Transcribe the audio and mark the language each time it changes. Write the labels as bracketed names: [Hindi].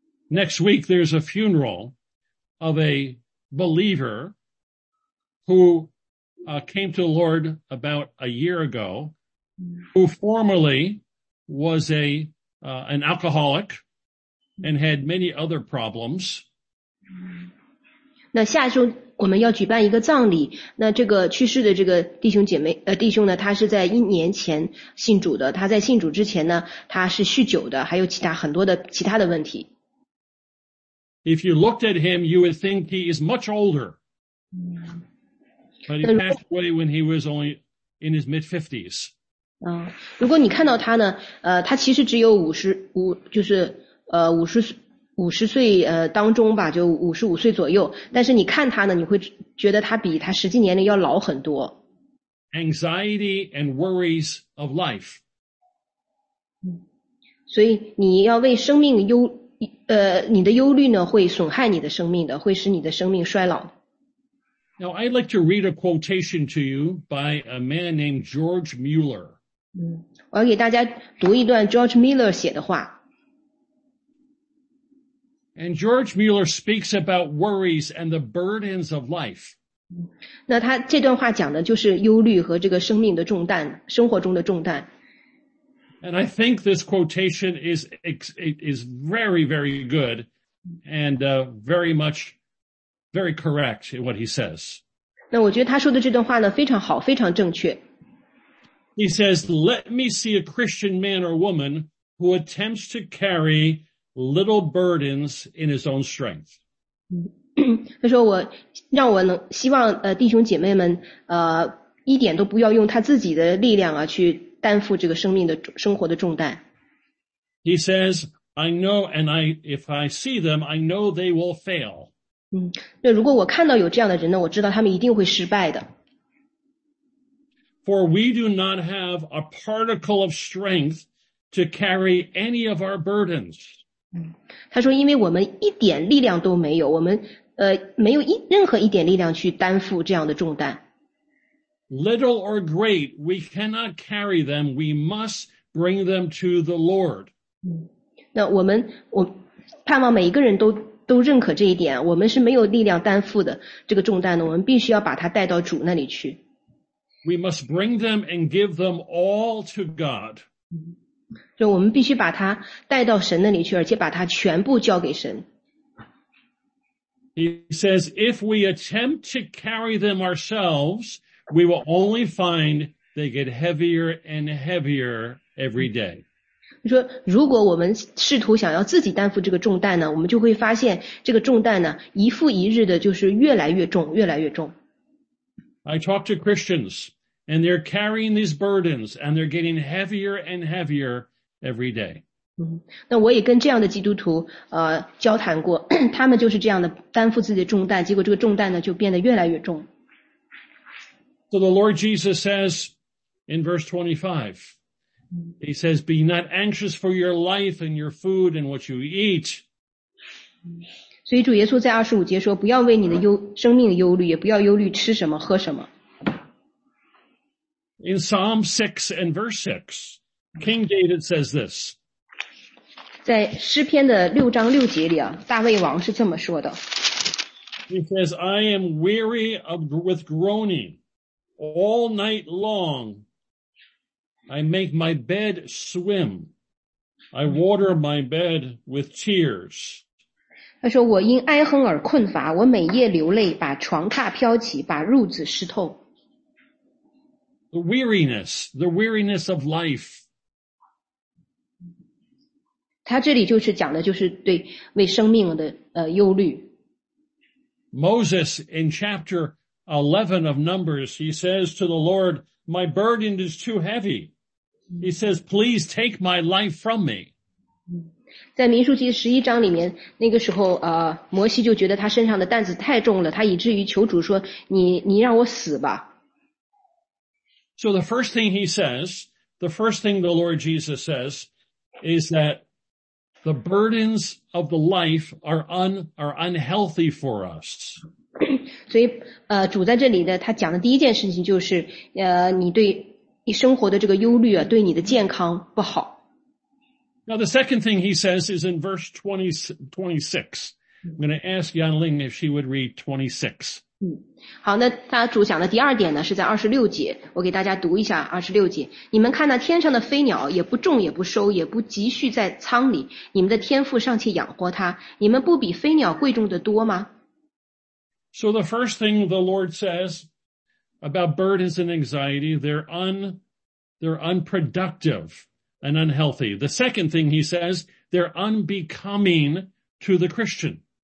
[English] Next week, there's a funeral of a believer who came to the Lord about a year ago, who formerly was an alcoholic and had many other problems. [Chinese] 那下周我们要举办一个葬礼，那这个去世的这个弟兄姐妹弟兄呢，他是在一年前信主的，他在信主之前呢，他是酗酒的，还有其他的问题。 [English] If you looked at him, you would think he is much older. But he passed away when he was only in his mid-50s. [Chinese] 如果你看到他呢，他其实只有五十岁当中吧，就55岁左右。但是你看他呢，你会觉得他比他实际年龄要老很多。 [English] Anxiety and worries of life. [Chinese] 所以你要为生命忧。你的忧虑呢，会损害你的生命的，会使你的生命衰老。 [English] Now I'd like to read a quotation to you by a man named George Mueller. [Chinese] 我要给大家读一段 George Mueller 写的话。 [English] And George Mueller speaks about worries and the burdens of life. [Chinese] 那他这段话讲的就是忧虑和这个生命的重担，生活中的重担。 [English] And I think this quotation is very, very good and very much, very correct in what he says. [Chinese] 那我觉得他说的这段话呢，非常好，非常正确。 [English] He says, let me see a Christian man or woman who attempts to carry little burdens in his own strength. [Chinese] 他说我让我能希望弟兄姐妹们一点都不要用他自己的力量啊去担负这个生命的生活的重担。 [English] He says, I know, and if I see them, I know they will fail. [Chinese] 那如果我看到有这样的人呢，我知道他们一定会失败的。 [English] For we do not have a particle of strength to carry any of our burdens. [Chinese] 他说因为我们一点力量都没有，我们没有任何一点力量去担负这样的重担。 [English] Little or great, we cannot carry them. We must bring them to the Lord. [Chinese] 那我盼望每一个人都认可这一点，我们是没有力量担负的这个重担的，我们必须要把它带到主那里去。 [English] We must bring them and give them all to God. [Chinese] 就我们必须把它带到神那里去，而且把它全部交给神。 [English] He says, if we attempt to carry them ourselves,We will only find they get heavier and heavier every day. [Chinese] 说如果我们试图想要自己担负这个重担呢，我们就会发现这个重担呢，一复一日的就是越来越重，越来越重。 [English] I talk to Christians, and they're carrying these burdens, and they're getting heavier and heavier every day. [Chinese] 那我也跟这样的基督徒交谈过，他们就是这样的担负自己的重担，结果这个重担呢就变得越来越重。 [English] So the Lord Jesus says in verse 25, he says, be not anxious for your life and your food and what you eat. [Chinese] 所以主耶稣在25节说不要为你的生命忧虑，也不要忧虑吃什么喝什么。 [English] In Psalm 6 and verse 6, King David says this. [Chinese] 在诗篇的六章六节里啊，大卫王是这么说的。 [English] He says, I am weary with groaning. All night long, I make my bed swim. I water my bed with tears. [Chinese] 他说我因哀恨而困乏，我每夜流泪，把床榻飘起，把褥子湿透。 [English] The weariness of life. [Chinese] 他这里就是讲的就是对为生命的忧虑。 [English] Moses in chapter 11 of Numbers, he says to the Lord, my burden is too heavy. He says, please take my life from me. [Chinese] 在民数记11章里面，那个时候摩西就觉得他身上的担子太重了，他以至于求主说，你让我死吧。 [English] So the first thing he says, the first thing the Lord Jesus says is that the burdens of the life are unhealthy for us. [Chinese] 所以主在这里的他讲的第一件事情就是你对你生活的这个忧虑啊，对你的健康不好。 [English] Now the second thing he says is in verse 26. I'm going to ask Yan Ling if she would read 26. [Chinese] 好，那他主讲的第二点呢，是在26节，我给大家读一下26节。你们看那天上的飞鸟，也不种也不收，也不积蓄在仓里，你们的天父尚且养活它，你们不比飞鸟贵重的多吗？ [English] So the first thing the Lord says about burdens and anxiety, they're unproductive and unhealthy. The second thing he says, they're unbecoming to the Christian.